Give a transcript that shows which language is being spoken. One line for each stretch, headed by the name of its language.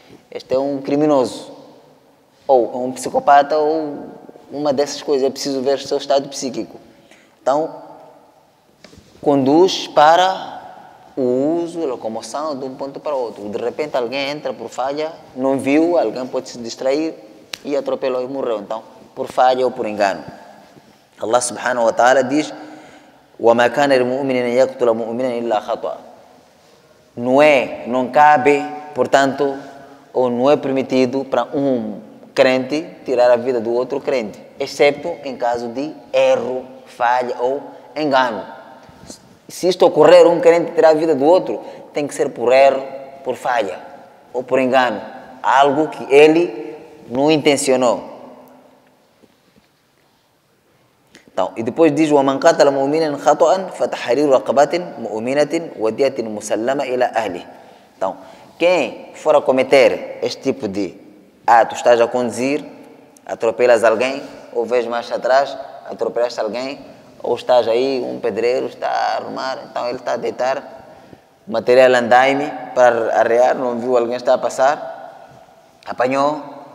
Portuguese: Este é um criminoso. Ou é um psicopata, ou uma dessas coisas. É preciso ver o seu estado psíquico. Então, conduz para o uso, a locomoção de um ponto para outro. De repente, alguém entra por falha, não viu, alguém pode se distrair e atropelou e morreu. Então, por falha ou por engano.
Arabic: Allah subhanahu wa ta'ala diz: وَمَا كَانَ الْمُؤْمِنِينَ يَقْتُلَ مُؤْمِنًا إِلَّا خَطَأً.
Portuguese: Não é, não cabe, portanto, ou não é permitido para um crente tirar a vida do outro crente, exceto em caso de erro, falha ou engano. Se isto ocorrer, um querendo tirar a vida do outro, tem que ser por erro, por falha ou por engano. Algo que ele não intencionou.
Arabic: Então, e depois diz: وَمَنْ قَتَلَ مُؤْمِنًا خَطَأً فَتَحْرِيرُ رَقَبَةٍ مُؤْمِنَةٍ وَدِيَةٍ مُسَلَّمَةٍ إِلَى أَهْلِهِ.
Portuguese: Então, quem for a cometer este tipo de ato, estás a conduzir, atropelas alguém, ou vês marcha atrás, atropelaste alguém, ou estás aí, um pedreiro está a arrumar, então ele está a deitar material andaime para arrear, não viu alguém está a passar, apanhou.